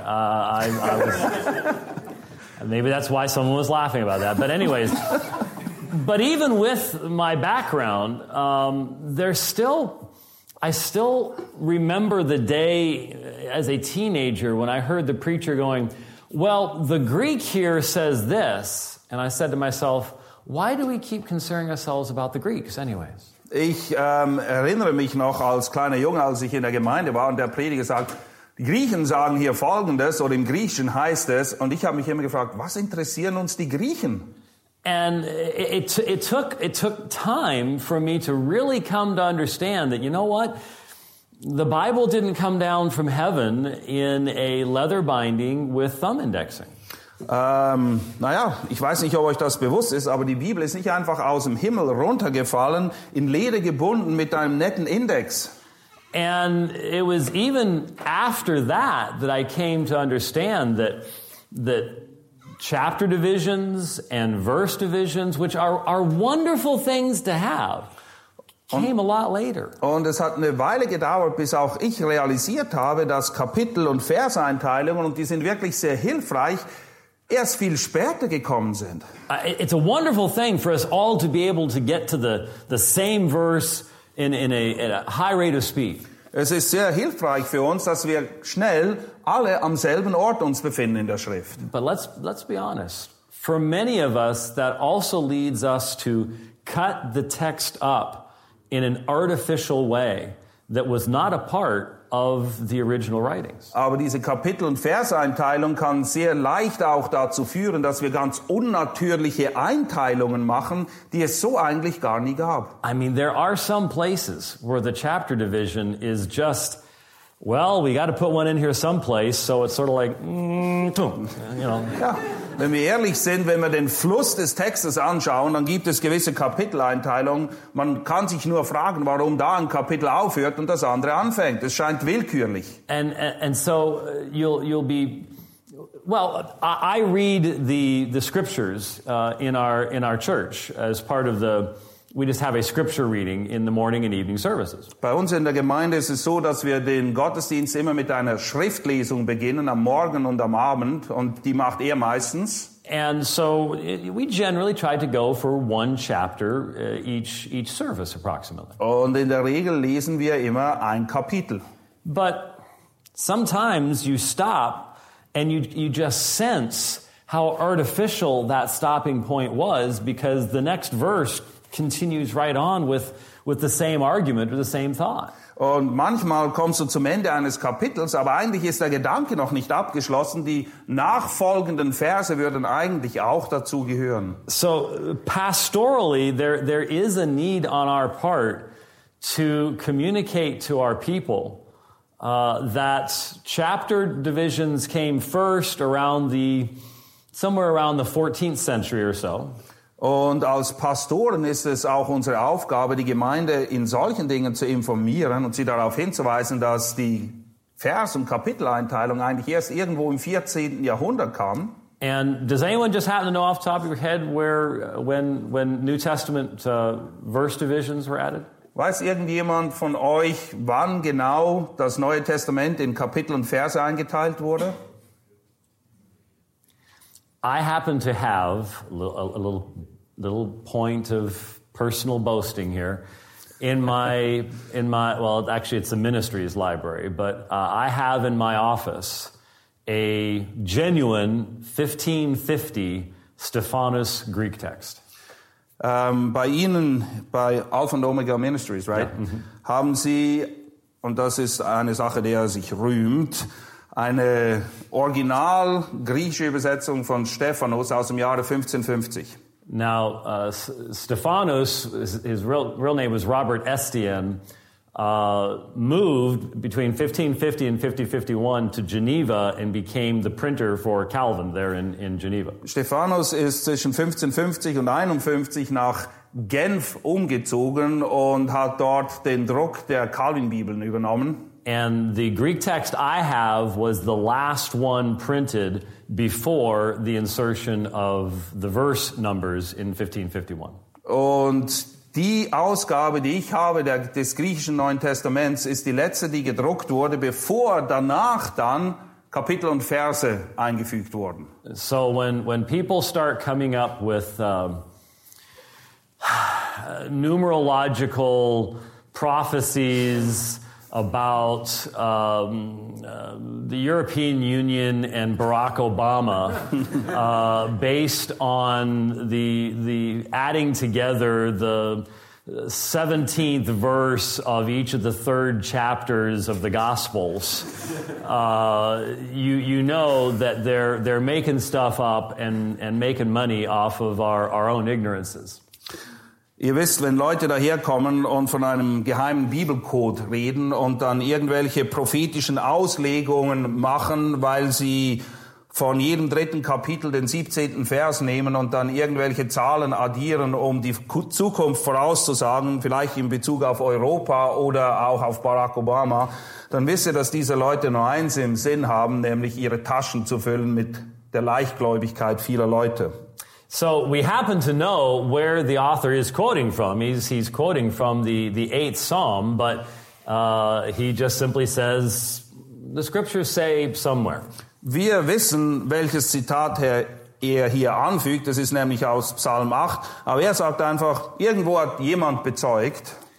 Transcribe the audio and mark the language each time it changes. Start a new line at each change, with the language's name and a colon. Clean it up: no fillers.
English: I was, maybe that's why someone was laughing about that. But anyways, but even with my background, I still remember the day as a teenager when I heard the preacher going, well, the Greek here says this. And I said to myself, why do we keep concerning ourselves about the Greeks anyways?
German: Ich erinnere mich noch als kleiner Junge, als ich in der Gemeinde war und der Prediger sagt, die Griechen sagen hier Folgendes oder im Griechischen heißt es, und ich habe mich immer gefragt, was interessieren uns die Griechen?
English: And it took time for me to really come to understand that, you know what, the Bible didn't come down from heaven in a leather binding with thumb indexing.
German: Ich weiß nicht, ob euch das bewusst ist, aber die Bibel ist nicht einfach aus dem Himmel runtergefallen, in Leder gebunden mit einem netten Index.
English: And it was even after that that I came to understand that chapter divisions and verse divisions, which are wonderful things to have, came a lot later.
German: Und es hat eine Weile gedauert, bis auch ich realisiert habe, dass Kapitel- und Verseinteilungen, und die sind wirklich sehr hilfreich, erst viel später gekommen sind.
English: It's a wonderful thing for us all to be able to get to the same verse in a high rate of speed.
German: Es ist sehr hilfreich für uns, dass wir schnell alle am selben Ort uns befinden in der Schrift.
English: But let's be honest. For many of us, that also leads us to cut the text up in an artificial way that was not a part of the original writings.
German: Aber diese Kapitel- und Verseinteilung kann sehr leicht auch dazu führen, dass wir ganz unnatürliche Einteilungen machen, die es so eigentlich gar nie gab.
English: I mean, there are some places where the chapter division is just well, we got to put one in here someplace, so it's sort of like, you know.
German: Ja, wenn wir ehrlich sind, wenn wir den Fluss des Textes anschauen, dann gibt es gewisse Kapiteleinteilungen. Man kann sich nur fragen, warum da ein Kapitel aufhört und das andere anfängt. Es scheint willkürlich.
English: And so you'll be, well, I read the scriptures in our church as part of the. We just have a scripture reading in the morning and evening services.
German: Bei uns in der Gemeinde ist es so, dass wir den Gottesdienst immer mit einer Schriftlesung beginnen, am Morgen und am Abend, und die macht er meistens.
English: And so we generally try to go for one chapter each service approximately.
German: Und in der Regel lesen wir immer ein Kapitel.
English: But sometimes you stop and you just sense how artificial that stopping point was, because the next verse continues right on with the same argument or the same thought.
German: Und manchmal kommst du zum Ende eines Kapitels, aber eigentlich ist der Gedanke noch nicht abgeschlossen. Die nachfolgenden Verse würden eigentlich auch dazu gehören.
English: So pastorally, there is a need on our part to communicate to our people that chapter divisions came first somewhere around the 14th century or so.
German: Und als Pastoren ist es auch unsere Aufgabe, die Gemeinde in solchen Dingen zu informieren und sie darauf hinzuweisen, dass die Vers- und Kapiteleinteilung eigentlich erst irgendwo im 14. Jahrhundert kam.
English: And does anyone just happen to know off the top of your head when New Testament verse divisions were added?
German: Weiß irgendjemand von euch, wann genau das Neue Testament in Kapitel und Verse eingeteilt wurde?
English: I happen to have a little point of personal boasting here in my well, actually it's the ministry's library, but I have in my office a genuine 1550 Stephanus Greek text. By Ihnen, by Alpha and Omega Ministries, right? Yeah. Mm-hmm.
German: Haben Sie, und das ist eine Sache, der sich rühmt, eine original griechische Übersetzung von Stephanus aus dem Jahre 1550.
English: Now, Stephanus, his real name was Robert Estienne, moved between 1550 and 1551 to Geneva and became the printer for Calvin there in Geneva.
German: Stephanus ist zwischen 1550 und 51 nach Genf umgezogen und hat dort den Druck der Calvin-Bibeln übernommen.
English: And the Greek text I have was the last one printed before the insertion of the verse numbers in 1551.
German: Und die Ausgabe, die ich habe, des griechischen Neuen Testaments, ist die letzte, die gedruckt wurde, bevor danach dann Kapitel und Verse eingefügt wurden.
English: So when people start coming up with numerological prophecies about the European Union and Barack Obama based on the adding together the 17th verse of each of the third chapters of the Gospels, you know that they're making stuff up and making money off of our own ignorances.
German: Ihr wisst, wenn Leute daherkommen und von einem geheimen Bibelcode reden und dann irgendwelche prophetischen Auslegungen machen, weil sie von jedem dritten Kapitel den 17. Vers nehmen und dann irgendwelche Zahlen addieren, um die Zukunft vorauszusagen, vielleicht in Bezug auf Europa oder auch auf Barack Obama, dann wisst ihr, dass diese Leute nur eins im Sinn haben, nämlich ihre Taschen zu füllen mit der Leichtgläubigkeit vieler Leute.
English: So we happen to know where the author is quoting from. He's quoting from the eighth psalm, but he just simply says the scriptures say somewhere.
German: Wir wissen, welches Zitat er hier anfügt. Das ist nämlich aus Psalm 8. Aber er sagt einfach, irgendwo hat jemand bezeugt.